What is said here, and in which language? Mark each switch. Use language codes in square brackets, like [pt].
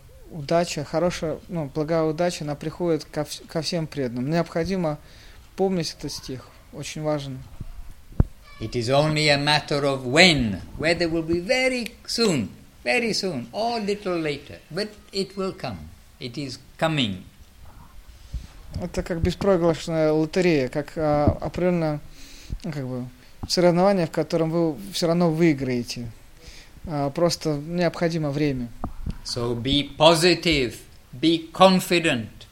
[ru] Удача, хорошая, ну, благая удача, она приходит ко всем преданным. Необходимо помнить этот стих, очень важен. [en] It is only a matter of when, whether will be very soon, or little later, but it will come. It is coming. [ru] Это как беспроигрышная лотерея, как определенно, ну, как бы соревнование, в котором вы все равно выиграете. Просто необходимо время. [en] So be positive, be confident.